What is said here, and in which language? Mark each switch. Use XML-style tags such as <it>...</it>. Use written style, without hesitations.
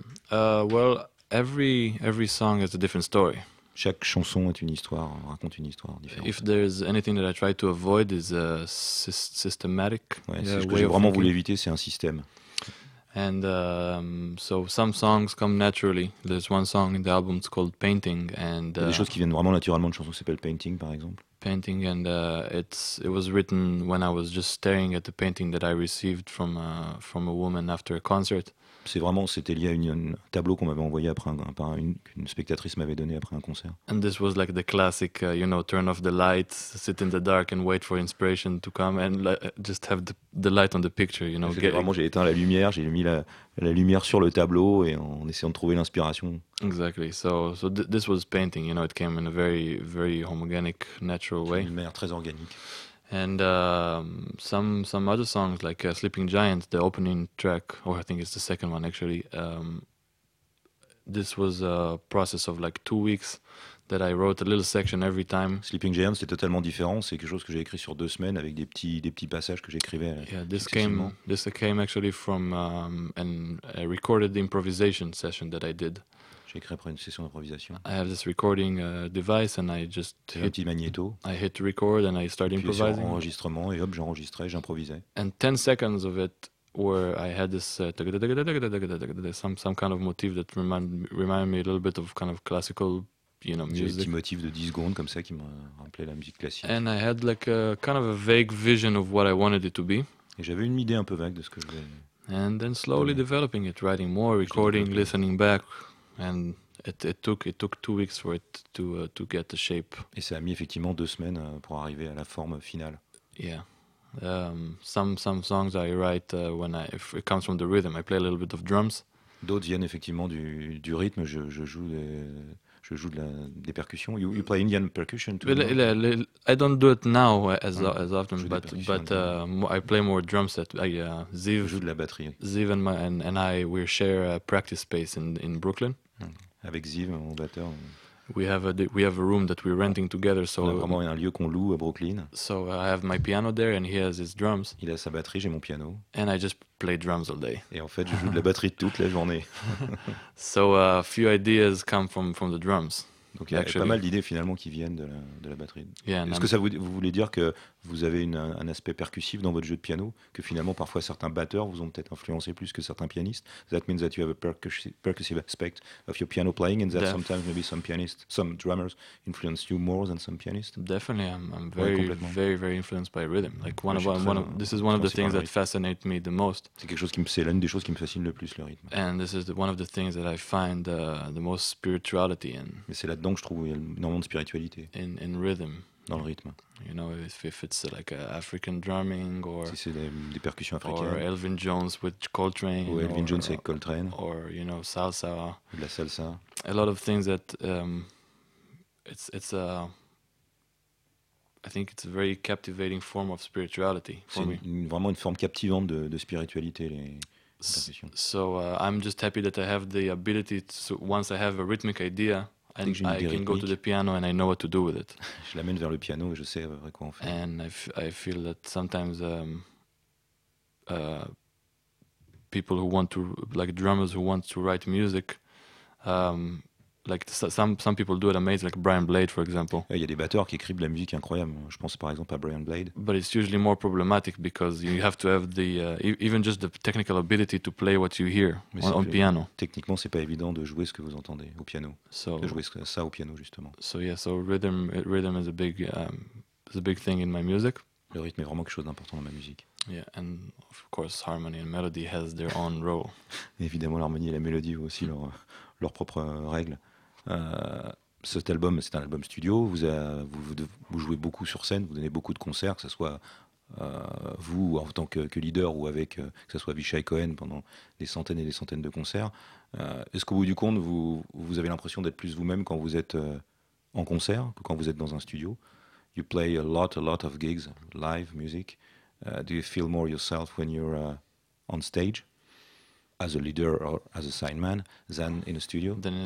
<en>Well, every song is a different story.</en> <fr>Chaque chanson est une histoire, raconte une histoire différente.</fr> <en>If there's anything that I try to avoid is a systematic.</en> <fr>Ouais, c'est ce que j'ai vraiment voulu éviter, c'est un système.</fr> <en>And so some songs come naturally. There's one song in the album, it's called Painting, and</en> <fr>il y a des choses qui viennent vraiment naturellement, une chanson qui s'appelle Painting par exemple.</fr> <en>Painting, and it was written when I was just staring at the painting that I received from a woman after a concert.</en> <fr>C'était lié à un tableau qu'on m'avait envoyé après qu'une spectatrice m'avait donné après un concert.</fr> <en>And this was like the classic, you know, turn off the light, sit in the dark and wait for inspiration to come and just have the light on the picture, you know.</en> <fr>Vraiment, j'ai éteint la lumière, j'ai mis la lumière sur le tableau et en essayant de trouver l'inspiration.</fr> <en>Exactly. So this was painting, you know, it came in a very, very homogenic, natural way.</en> <fr>D'une manière très organique.</fr> <en>And some other songs like Sleeping Giant, the opening track, or I think it's the second one actually. This was a process of like 2 weeks that I wrote a little section every time.</en> <fr>Sleeping Giant, c'est totalement différent. C'est quelque chose que j'ai écrit sur 2 semaines avec des petits passages que j'écrivais.</fr> <en>Yeah, this came actually from a recorded improvisation session that I did.</en> <fr>J'ai écrit après une session d'improvisation.</fr> <en>I have this recording device and I just</en> <fr>hit petit magnéto.</fr> <en>I hit record and I start improvising.</en> <fr>Sur enregistrement et hop, j'enregistrais, j'improvisais.</fr> <en>And 10 seconds of it where I had this some kind of motif that reminded me a little bit of kind of classical, you know, music.</en> <fr>Un petit motif de 10 secondes comme ça qui me rappelait la musique classique.</fr> <en>And I had like a kind of a vague vision of what I wanted it to be.</en> <fr>Et j'avais une idée un peu vague de ce que je voulais.</fr> <en>And then slowly developing it, writing more, recording, listening back. And it took 2 weeks for it to get the shape.</en> <fr>Et ça a mis effectivement 2 semaines pour arriver à la forme finale.</fr> <en>Yeah, some songs I write if it comes from the rhythm, I play a little bit of drums.</en> <fr>D'autres viennent effectivement du rythme. Je joue des percussions.</fr> <en>You play Indian percussion too. I don't do it now as often, but I play more drum set.</en> <fr>Ziv joue de la batterie.</fr> <en>Ziv and I share a practice space in Brooklyn.</en> <fr>Avec Ziv, mon batteur.</fr> <en>We have a room that we're renting together. So</en> <fr>on a vraiment un lieu qu'on loue à Brooklyn.</fr> <en>So I have my piano there and he has his drums.</en> <fr>Il a sa batterie, j'ai mon piano.</fr> <en>And I just play drums all day.</en> <fr>Et en fait, je joue de la batterie toute la journée.</fr> <en>So a few ideas come from the drums.</en> <fr>Donc il y a pas mal d'idées finalement qui viennent de la batterie.</fr> <en>Yeah,</en> <fr>est-ce que ça vous voulez dire que vous avez un aspect percussif dans votre jeu de piano, que finalement parfois certains batteurs vous ont peut-être influencé plus que certains pianistes?</fr> <en>That means that you have a percussive aspect of your piano playing, and that sometimes maybe some drummers influence you more than some pianists? Definitely, I'm very,</en> <fr>ouais,</fr> <en>very, very influenced by rhythm. Like one of the things that fascinate me the most.</en> <fr>C'est quelque chose qui me c'est l'une des choses qui me fascine le plus, le rythme.</fr> <en>And this is one of the things that I find the most spirituality in.</en> <fr>Mais c'est là-dedans que je trouve énormément de spiritualité.</fr> <en>In rhythm.</en> <fr>dans le rythme.</fr> <en>You know, if it's like a African drumming or</en> <fr>si c'est des percussions africaines,</fr> <en>or Elvin Jones with Coltrane,</en> <fr>ou Elvin Jones avec Coltrane,</fr> <en>or you know, salsa,</en> <fr>de la salsa,</fr> <en>a lot of things that it's a I think it's a very captivating form of spirituality for me.</en> <fr>C'est vraiment une forme captivante de spiritualité, les percussions.</fr> <en>So I'm just happy that I have the ability to, so once I have a rhythmic idea, and I can go to the piano and I know what to do with it.</en> <fr>Je l'amène vers le piano et je sais vraiment quoi en faire.</fr> <en>And I feel that sometimes people who want to, like drummers who want to write music, like some people do it amazing, like Brian Blade, for example.</en> <fr>Il y a des batteurs qui écrivent de la musique incroyable. Je pense par exemple à Brian Blade.</fr> <en>But it's usually more problematic because you have to have the even just the technical ability to play what you hear on piano.</en> <fr>Techniquement, c'est pas évident de jouer ce que vous entendez au piano. So, de jouer ça au piano justement.</fr> <en>So yeah, so rhythm is a big thing in my music.</en> <fr>Le rythme est vraiment quelque chose d'important dans ma musique.</fr> <en>Yeah, and of course, harmony and melody has their own role.</en> <fr>Évidemment, l'harmonie et la mélodie ont aussi leurs propres règles. Cet album, c'est un album studio. Vous jouez beaucoup sur scène, vous donnez beaucoup de concerts, que ce soit vous en tant que leader ou avec que ce soit Avishai Cohen pendant des centaines et des centaines de concerts. Est-ce qu'au bout du compte, vous avez l'impression d'être plus vous-même quand vous êtes en concert que quand vous êtes dans un studio?</fr> <en>You play a lot of gigs, live music. Do you feel more yourself when you're on stage as a leader or as a sign man than in a studio?</en>